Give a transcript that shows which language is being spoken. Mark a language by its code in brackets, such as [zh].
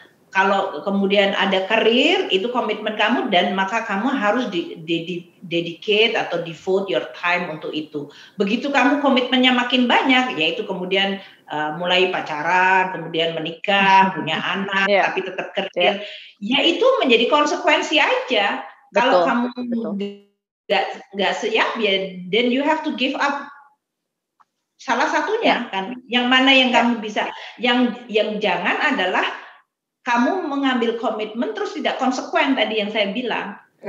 [id] Kalau kemudian ada karir, itu komitmen kamu, dan maka kamu harus dedicate atau [en] devote your time [id] untuk itu. Begitu kamu komitmennya makin banyak, yaitu kemudian mulai pacaran, kemudian menikah, punya anak, tapi tetap kerja, ya itu menjadi konsekuensi aja. Kalau kamu nggak siap, ya [en] then you have to give up. [id] Salah satunya kan, yang mana yang kamu bisa, yang jangan adalah kamu mengambil komitmen terus tidak konsekuen tadi yang saya bilang.